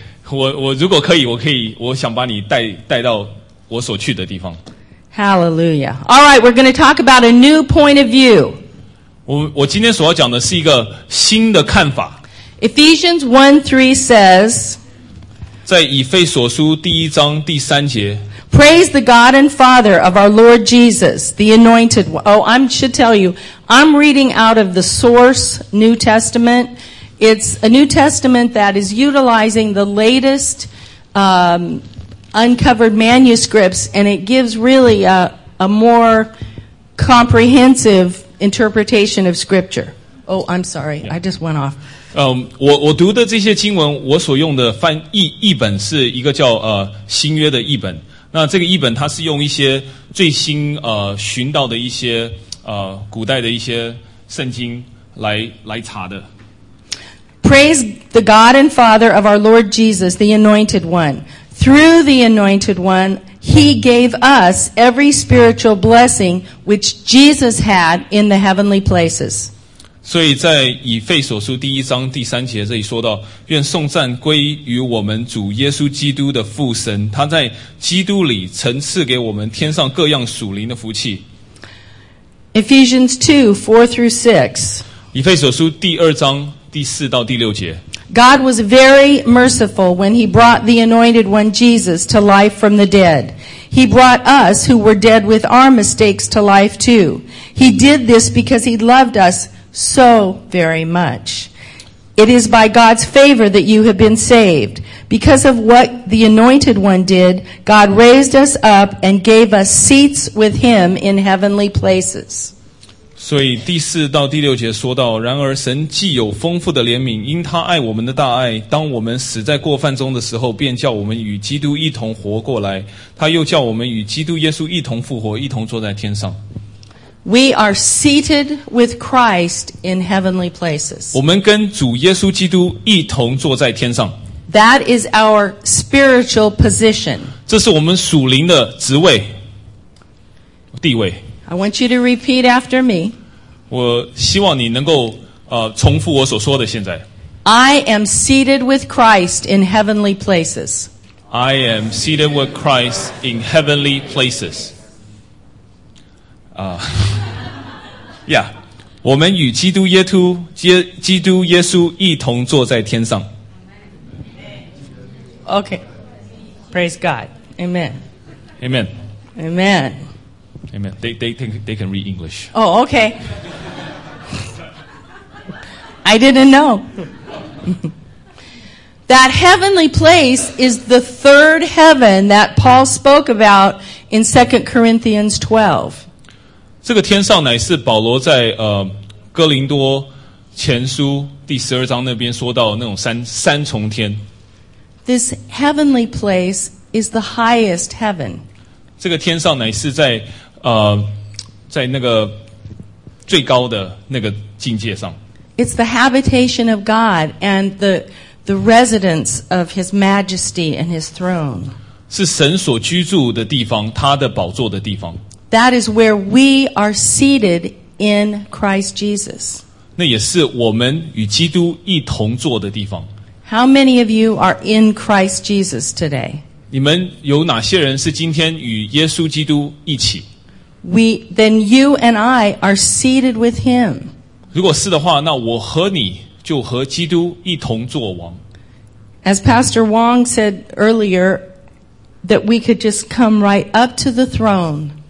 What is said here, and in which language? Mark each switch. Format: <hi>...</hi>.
<zh>我如果可以，我可以，我想把你带到我所去的地方。</zh> <en>Hallelujah! All right, we're going to talk about a new point of view.</en> <zh>我今天所要讲的是一个新的看法。</zh> <en>Ephesians 1:3 says,</en> <zh>在以腓所书第一章第三节。</zh> <en>Praise the God and Father of our Lord Jesus, the Anointed One. Oh, I should tell you, I'm reading out of the Source New Testament. It's a New Testament that is utilizing the latest uncovered manuscripts, and it gives really a more comprehensive interpretation of Scripture. Oh, I'm sorry. Yeah. I just went off.</en> <zh>我读的这些经文，我所用的翻译译本是一个叫新约的译本。那这个译本它是用一些最新寻到的一些古代的一些圣经来查的。</zh> <en>Praise the God and Father of our Lord Jesus, the Anointed One. Through the Anointed One, He gave us every spiritual blessing which Jesus had in the heavenly places.</en> <zh>所以在以腓所书第一章第三节这里说到，愿颂赞归于我们主耶稣基督的父神，他在基督里曾赐给我们天上各样属灵的福气。</zh> <en>Ephesians 2:4-6.</en> <zh>以腓所书第二章第四到第六节。</zh> <en>God was very merciful when he brought the anointed one Jesus to life from the dead. He brought us who were dead with our mistakes to life too. He did this because he loved us so very much. It is by God's favor that you have been saved. Because of what the anointed one did, God raised us up and gave us seats with him in heavenly places.</en> <zh>所以第四到第六节说到，然而神既有丰富的怜悯，因他爱我们的大爱，当我们死在过犯中的时候，便叫我们与基督一同活过来，他又叫我们与基督耶稣一同复活，一同坐在天上。</zh> <en>We are seated with Christ in heavenly places.</en> <zh>我们跟主耶稣基督一同坐在天上。</zh> <en>That is our spiritual position.</en> <zh>这是我们属灵的职位地位。</zh> <en>I want you to repeat after me.</en> <zh>我希望你能够重复我所说的现在。</zh> <en>I am seated with Christ in heavenly places. I am seated with Christ in heavenly places. Yeah.</en> <zh>我们与基督耶稣一同坐在天上。</zh> <en>Okay. Praise God. Amen. Amen. Amen. Amen. They can read English. Oh, okay. I didn't know. That heavenly place is the third heaven that Paul spoke about in 2 Corinthians 12.</en> <zh>这个天上乃是保罗在哥林多前书第十二章那边说到的那种三重天。</zh> <en>This heavenly place is the highest heaven.</en> <zh>这个天上乃是在那个最高的那个境界上。</zh> <en>It's the habitation of God and the residence of His majesty and His throne.</en> <zh>是神所居住的地方，他的宝座的地方。</zh> <en>That is where we are seated in Christ Jesus.</en> <zh>那也是我们与基督一同坐的地方。</zh> <en>How many of you are in Christ Jesus today?</en> <zh>你们有哪些人是今天与耶稣基督一起？</zh> <en>Then you and I are seated with Him.</en> <zh>如果是的话，那我和你就和基督一同作王。</zh> <en>As Pastor Wong said earlier, that we could just come right up to the throne.</en>